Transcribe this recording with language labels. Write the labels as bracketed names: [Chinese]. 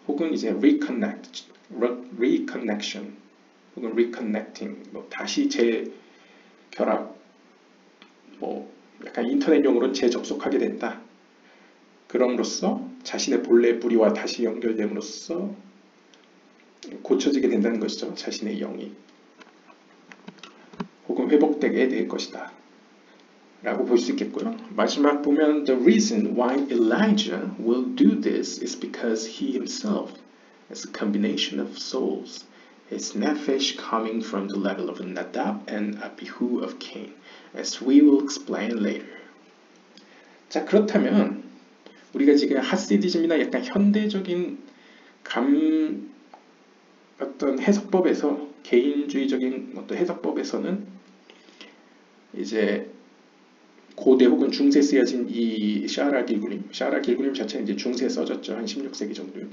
[Korean] 혹은 이제 reconnection 혹은 reconnecting 뭐 다시 재결합 뭐 약간 인터넷용으로는 재접속하게 된다. 그럼으로써 자신의 본래 뿌리와 다시 연결됨으로써 고쳐지게 된다는 것이죠. 자신의 영이 혹은 회복되게 될 것이다 라고 볼 수 있겠고요. 마지막 보면 [English] The reason why Elijah will do this is because he himself is a combination of souls. His nephesh coming from the level of Nadab and Abihu of Cain, as we will explain later. [Korean] 자, 그렇다면 우리가 지금 하시디즘이나 약간 현대적인 어떤 해석법에서 개인주의적인 어떤 해석법에서는 이제 고대 혹은 중세 쓰여진 이 샤라 길그림 자체는 이제 중세에 써졌죠. 한 16세기 정도요.